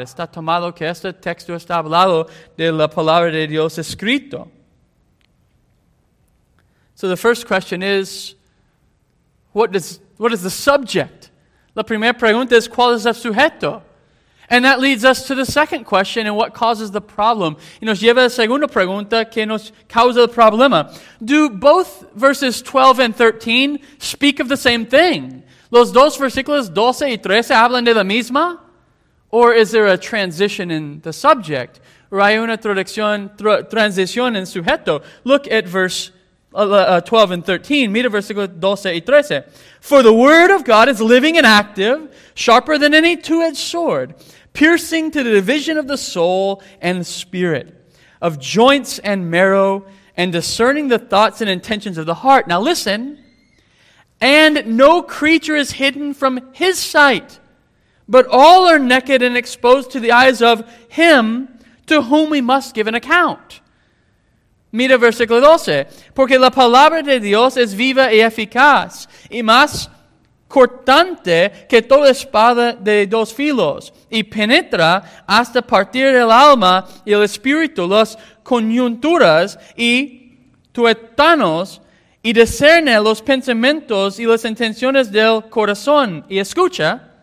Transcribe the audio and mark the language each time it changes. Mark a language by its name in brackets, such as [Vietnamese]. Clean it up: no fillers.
[Spanish] Está tomado que este texto está hablado de la palabra de Dios escrito. [English] So the first question is, what is the subject? [Spanish] La primera pregunta es, ¿cuál es el sujeto? [English] And that leads us to the second question, and what causes the problem. [Spanish] Y nos lleva a la segunda pregunta, que nos causa el problema. [English] Do both verses 12 and 13 speak of the same thing? [Spanish] Los dos versículos 12 y 13 hablan de la misma? [English] Or is there a transition in the subject? [Spanish] Or hay una transición en sujeto? [English] Look at verse 12 and 13. [Spanish] Mira versículos 12 y 13. [English] For the word of God is living and active, sharper than any two-edged sword, piercing to the division of the soul and spirit, of joints and marrow, and discerning the thoughts and intentions of the heart. Now listen. And no creature is hidden from his sight, but all are naked and exposed to the eyes of him to whom we must give an account. [Spanish] Mira versículo 12. Porque la palabra de Dios es viva y eficaz, y más cortante que toda espada de dos filos, y penetra hasta partir el alma y el espíritu, las coyunturas y tuétanos, y discerne los pensamientos y las intenciones del corazón. Y escucha.